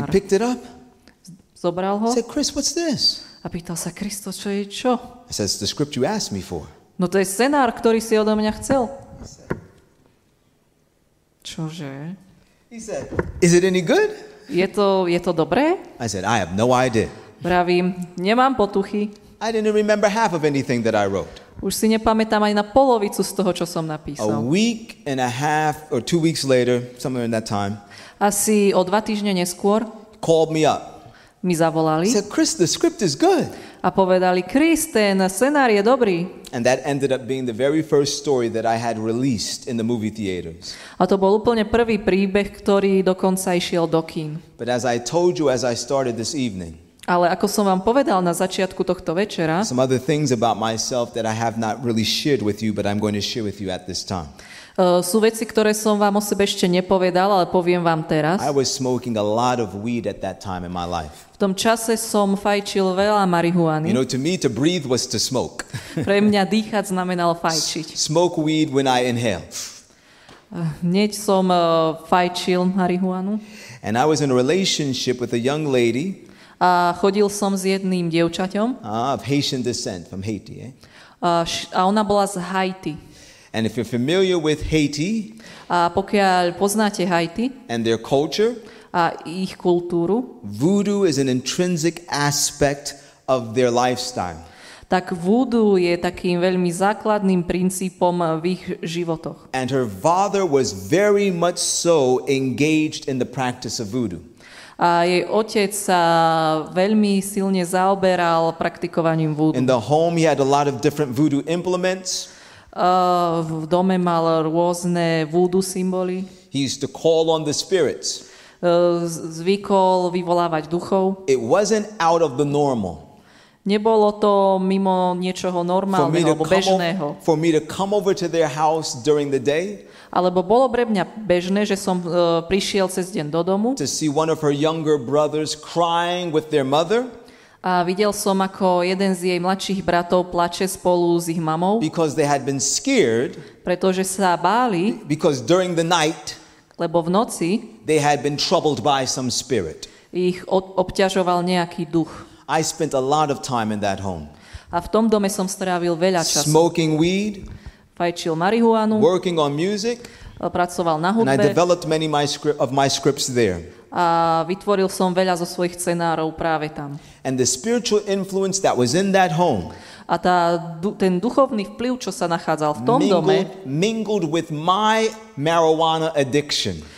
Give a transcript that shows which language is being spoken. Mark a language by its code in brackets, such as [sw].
[en] He picked it up. [sk] Zobral ho. [en] I said, Chris, what's this? [sk] A pýtal sa, Christo, čo je čo? [en] I said, it's the script you asked me for. [sk] No to je scenár, ktorý si odo mňa chcel. Čože? [en] He said, is it any good? [sk] Je to dobré? [en] I said, I have no idea. [sk] Pravím, nemám potuchy. [en] I didn't remember half of anything that I wrote. [sk] Už si nepamätám ani na polovicu z toho, čo som napísal. [en] A week and a half or 2 weeks later, somewhere in that time. [sk] Asi o 2 týždne neskôr. [en] Called me up. [sk] Mi zavolali. [en] Said, Chris, the script is good. [sk] a povedali: "Chris, ten scenár je dobrý." [en] And that ended up being the very first story that I had released in the movie theaters. [sk] A to bol úplne prvý príbeh, ktorý dokonca išiel do kín. [en] But as I told you as I started this evening. [sk] Ale ako som vám povedal na začiatku tohto večera. [en] Some other things about myself that I have not really shared with you, but I'm going to share with you at this time. [sk] Sú veci, ktoré som vám o sebe ešte nepovedal, ale poviem vám teraz. [en] I was smoking a lot of weed at that time in my life. [sk] V tom čase som fajčil veľa marihuany. [en] You know, to me, to breathe was to smoke. [sk] Pre mňa dýchať znamenalo fajčiť. [en] Smoke weed when I inhale. [sk] Hneď som fajčil marihuanu. [en] And I was in a relationship with a young lady. [sk] A chodil som s jedným dievčaťom. [en] Of Haitian descent, from Haiti, eh? [sk] A ona bola z Haiti. [en] And if you're familiar with Haiti, [sk] a pokiaľ poznáte Haiti, [en] and their culture, [sk] a ich kultúru, [en] voodoo is an intrinsic aspect of their lifestyle. [sk] Tak voodoo je takým veľmi základným princípom v ich životoch. [en] And her father was very much so engaged in the practice of voodoo. [sk] A jej otec sa veľmi silne zaoberal praktikovaním voodoo. [en] In the home he had a lot of different voodoo implements. [sk] V dome mal rôzne voodoo symboly. [en] He used to call on the spirits. [sk] Zvykol vyvolávať duchov. [en] It wasn't out of the normal. [sk] Nebolo to mimo niečoho normálneho alebo bežného. [en] For me to come over to their house during the day. [sk] Alebo bolo pre mňa bežné, že som prišiel cez deň do domu. [en] To see one of her younger brothers crying with their mother. [sk] A videl som, ako jeden z jej mladších bratov plače spolu s ich mamou. [en] Because they had been scared. [sk] Pretože sa báli. [en] Because during the night. [sk] Lebo v noci. [en] They had been troubled by some spirit. [sk] Ich obťažoval nejaký duch. [en] I spent a lot of time in that home. [sk] A v tom dome som strávil veľa času. [en] Smoking weed. [sk] Fajčil marihuanu. [en] Working on music. [sk] Pracoval na hudbe. [en] And I developed many of my scripts there. [sk] A vytvoril som veľa zo svojich scenárov práve tam. [en] And the spiritual influence that was in that home. [sk] A ten duchovný vplyv, čo sa nachádzal v tom dome, [en] mingled with my marijuana addiction.